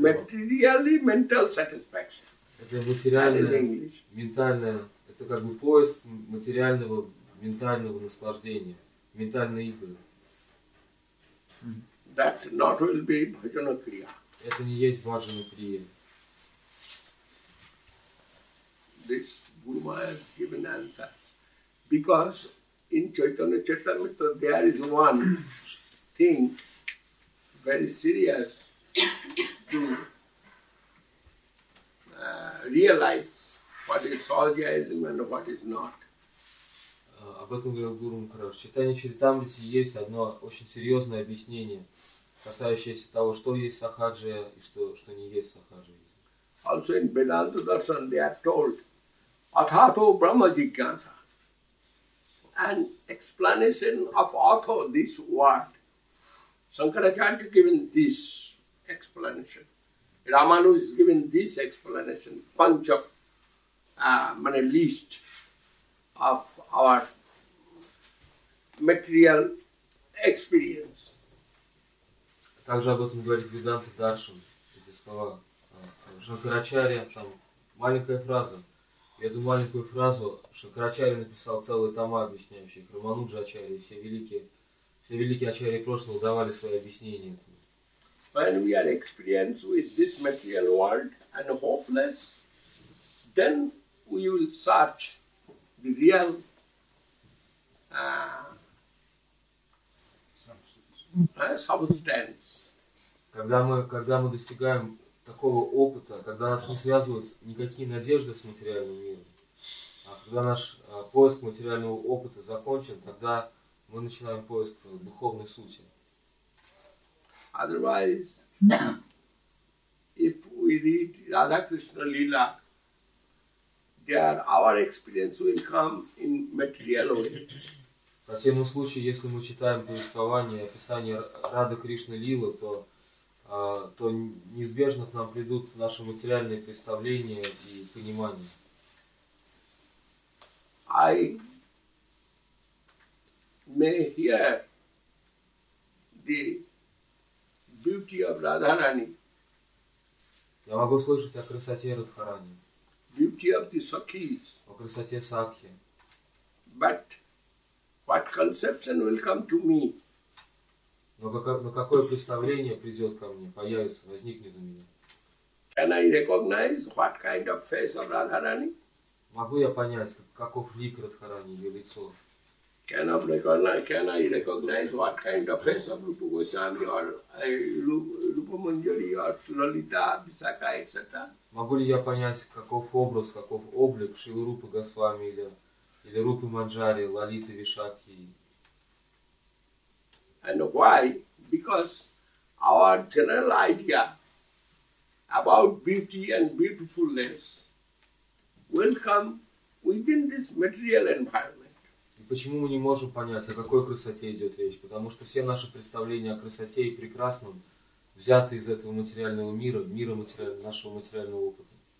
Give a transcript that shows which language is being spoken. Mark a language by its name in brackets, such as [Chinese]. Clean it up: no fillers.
[English] Materially mental satisfaction. [Russian] Это материальное, ментальное, это как бы поиск материального, ментального наслаждения, ментальной игры. [English] That not will be bhajana kriya. [Russian] Это не есть bhajana kriya. [English] This Guru Maharaj has given answer. Because in Chaitanya Charitamrita there is one thing very serious to realize what is sahajayism and what is not. [Russian] Об этом говорил Гуру Махарадж. В Чайтанье Чаритамрите есть одно очень серьезное объяснение, касающееся того, что есть сахаджия и что не есть сахаджия. [English] Also in Vedanta Darshan they are told Athato Brahma Jigyasa. And explanation of Atho, this word. Shankaracharya given this explanation. Ramanu is given this explanation, punch of least of our material experience. [Russian] Также об этом говорит Веданта Даршан, эти слова Шанкарачарья, там маленькая фраза. И эту маленькую фразу Шанкарачарья написал целые тома, объясняющие Рамануджа Ачарья, и все великие Ачарьи прошлого давали свои объяснения. [English] When we are experienced with this material world and hopeless, then we will search the real substance. [Russian] Когда мы достигаем такого опыта, когда нас не связывают никакие надежды с материальным миром, а когда наш поиск материального опыта закончен, тогда мы начинаем поиск духовной сути. [English] Otherwise, if we read Radha Krishna Leela, there our experience will come in material way. [Russian] В таком случае, если мы читаем повествование, описание Радха Кришны Лилы, то неизбежно к нам придут наши материальные представления и понимание. [English] I may hear the beauty of Radharani. [Russian] Я могу слышать о красоте Радхарани. [English] Beauty of the Sakhis. [Russian] О красоте Сакхи. [English] But what conception will come to me? [Russian] Но какое представление придет ко мне, появится, возникнет у меня? [English] Can I recognize what kind of face of Radharani? [Russian] Могу я понять, каков лик Радхарани, ее лицо? [English] Can I recognize what kind of face of Rupa Goswami or Rupa Manjari or Lalita, Visakha, etc.? [Russian] Могу ли я понять, каков облик Шрилы Рупы Госвами или Рупы Манджари, Лалиты, Вишакхи? [English] And why? Because our general idea about beauty and beautifulness will come within this material environment. [Russian] Почему мы не можем понять, о какой красоте идет речь? Потому что все наши представления о красоте и прекрасном взяты из этого материального мира, мира нашего материального опыта.